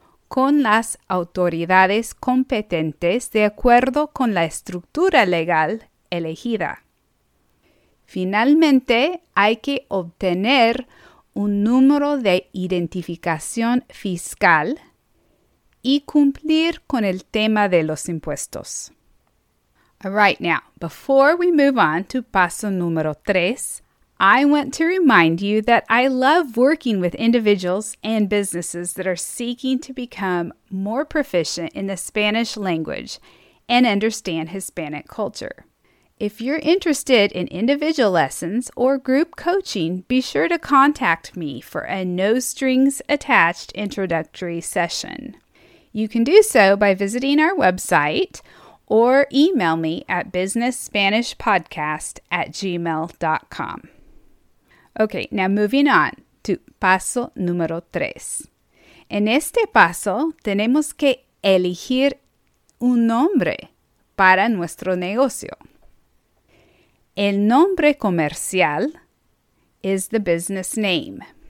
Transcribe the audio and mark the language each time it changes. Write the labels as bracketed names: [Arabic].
[Spanish] con las autoridades competentes de acuerdo con la estructura legal elegida. Finalmente, hay que obtener un número de identificación fiscal y cumplir con el tema de los impuestos. [English] All right, now, before we move on to [Spanish] paso número 3, [English] I want to remind you that I love working with individuals and businesses that are seeking to become more proficient in the Spanish language and understand Hispanic culture. If you're interested in individual lessons or group coaching, be sure to contact me for a no-strings-attached introductory session. You can do so by visiting our website or email me at businessspanishpodcast@gmail.com. Okay, now moving on to [Spanish] paso número 3. En este paso, tenemos que elegir un nombre para nuestro negocio. El nombre comercial [English] is the business name.